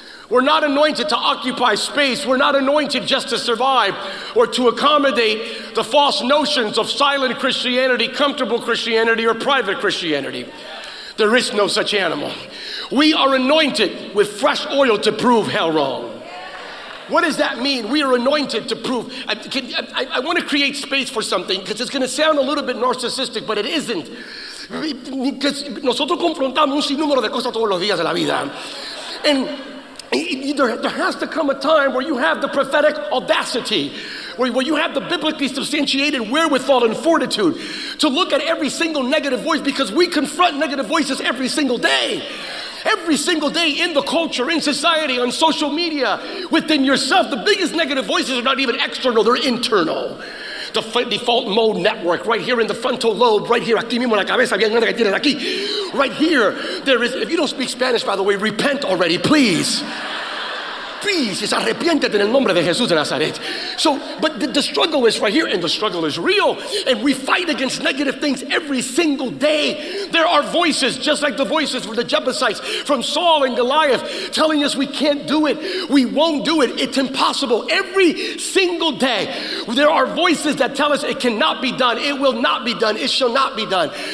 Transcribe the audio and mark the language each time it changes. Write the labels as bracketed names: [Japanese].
[English] We're not anointed to occupy space. We're not anointed just to survive or to accommodate the false notions of silent Christianity, comfortable Christianity, or private Christianity. There is no such animal. We are anointed with fresh oil to prove hell wrong. What does that mean? We are anointed to prove. I want to create space for something because it's going to sound a little bit narcissistic, but it isn't. [Spanish] Because nosotros confrontamos un sinnúmero de cosas todos los días de la vida. [English] And there has to come a time where you have the prophetic audacity, where you have the biblically substantiated wherewithal and fortitude to look at every single negative voice, because we confront negative voices every single day. Every single day in the culture, in society, on social media, within yourself, the biggest negative voices are not even external, they're internal. The default mode network, right here in the frontal lobe, right here, [Spanish] aquí mismo la cabeza, bien grande que tienes aquí. [English] Right here, there is, if you don't speak Spanish, by the way, repent already, please. [Spanish] Please, es arrepiéntete en el nombre de Jesús de Nazaret. [English] So, but the struggle is right here, and the struggle is real, and we fight against negative things every single day. There are voices, just like the voices from the Jebusites, from Saul and Goliath, telling us we can't do it, we won't do it, it's impossible. Every single day, there are voices that tell us it cannot be done, it will not be done, it shall not be done.